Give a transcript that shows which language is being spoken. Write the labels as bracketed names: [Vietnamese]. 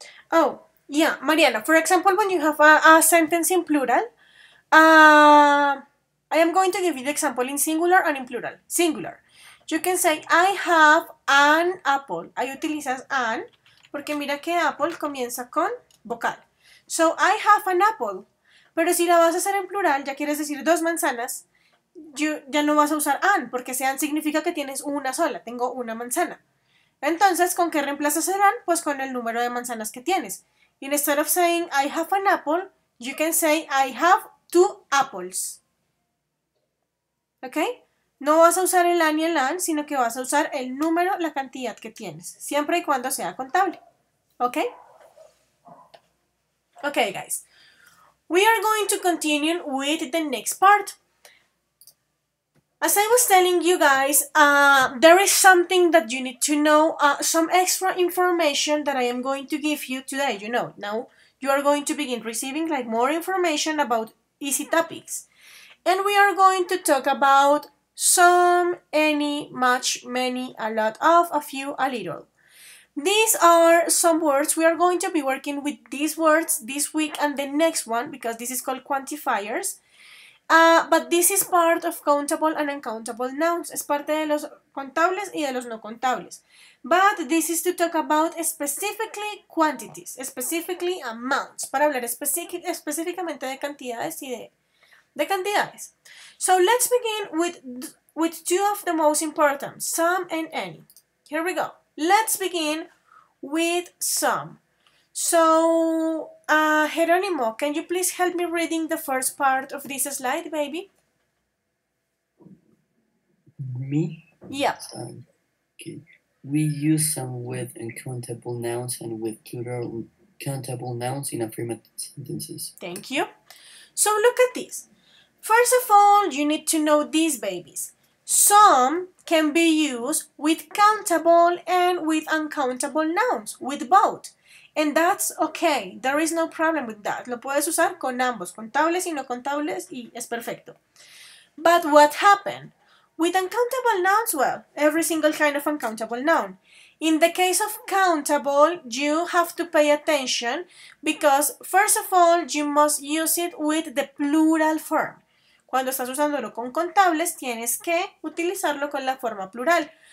[English] Oh, yeah, Mariana, for example, when you have a sentence in plural, I am going to give you the example in singular and in plural. Singular. You can say, I have an apple. [Spanish] Ahí utilizas an, porque mira que apple comienza con vocal. [English] So, I have an apple. [Spanish] Pero si la vas a hacer en plural, ya quieres decir dos manzanas, ya no vas a usar an, porque sean significa que tienes una sola, tengo una manzana. Entonces, ¿con qué reemplazas el an? Pues con el número de manzanas que tienes. [English] Instead of saying I have an apple, you can say I have two apples. ¿Ok? [Spanish] No vas a usar el an y el an, sino que vas a usar el número, la cantidad que tienes, siempre y cuando sea contable. ¿Ok? [English] Ok, guys. We are going to continue with the next part. As I was telling you guys, there is something that you need to know, some extra information that I am going to give you today. You know, now you are going to begin receiving like more information about easy topics. And we are going to talk about some, any, much, many, a lot of, a few, a little. These are some words. We are going to be working with these words this week and the next one because this is called quantifiers. But this is part of countable and uncountable nouns. [Spanish] Es parte de los contables y de los no contables. [English] But this is to talk about specifically quantities, specifically amounts, [Spanish] para hablar específicamente de cantidades [English] y de cantidades. So let's begin with two of the most important, some and any. Here we go. Let's begin with some. So, Jerónimo, can you please help me reading the first part of this slide, baby? Me? Yeah. Okay. We use some with uncountable nouns and with plural countable nouns in affirmative sentences. Thank you. So, look at this. First of all, you need to know these babies. Some can be used with countable and with uncountable nouns, with both. And that's okay. There is no problem with that. [Spanish] Lo puedes usar con ambos, contables y no contables, y es perfecto. [English] But what happened? With uncountable nouns, well, every single kind of uncountable noun. In the case of countable, you have to pay attention because, first of all, you must use it with the plural form. [Spanish] Cuando estás usándolo con contables, tienes que utilizarlo con la forma plural.